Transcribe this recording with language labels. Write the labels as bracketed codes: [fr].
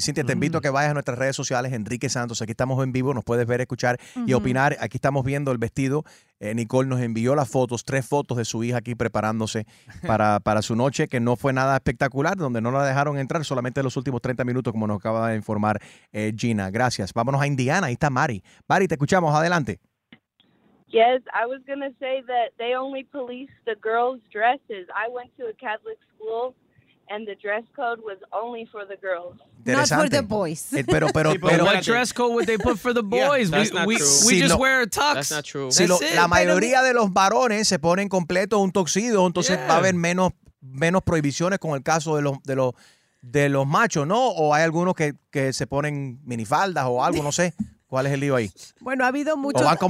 [es] Cintia, te invito a que vayas a nuestras redes sociales, Enrique Santos. Aquí estamos en vivo, nos puedes ver, escuchar y opinar. Aquí estamos viendo el vestido. Nicole nos envió las fotos, 3 fotos de su hija aquí preparándose para su noche, que no fue nada espectacular, donde no la dejaron entrar, solamente en los últimos 30 minutos, como nos acaba de informar Gina. Gracias. Vámonos a Indiana. Ahí está Mari. Mari, te escuchamos. Adelante. [en] Yes, I was going to say that they only police the girls' dresses. I went to a Catholic school, and the dress code was only for the girls. Not for the boys. [es] Pero [en] what dress code would they put for the boys? Yeah, that's not true. We just wear a tux. That's not true. [es] La mayoría de los varones se ponen completo un tuxedo, entonces va a haber menos prohibiciones con el caso de los machos, ¿no? O hay algunos que se ponen minifaldas o algo, no sé. ¿Cuál es el lío ahí? Bueno, ha habido muchos